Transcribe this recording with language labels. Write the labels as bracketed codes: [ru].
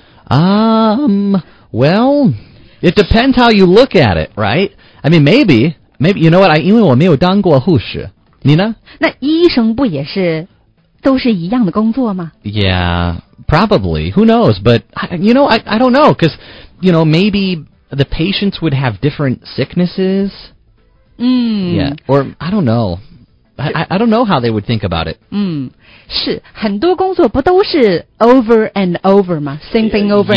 [en] well, it depends how you look at it, right? I mean, maybe, you know what, [zh] 因为我没有当过护士。你呢？那医生不也是都是一样的工作吗？ [en] Yeah, probably. Who knows? But, you know, I don't know. Because, you know, maybe the patients would have different sicknesses. Yeah. Or, I don't know. I don't know how they would think about it. [zh] 是很多工作不都是 [en] over and over [zh] 吗 [en] same thing over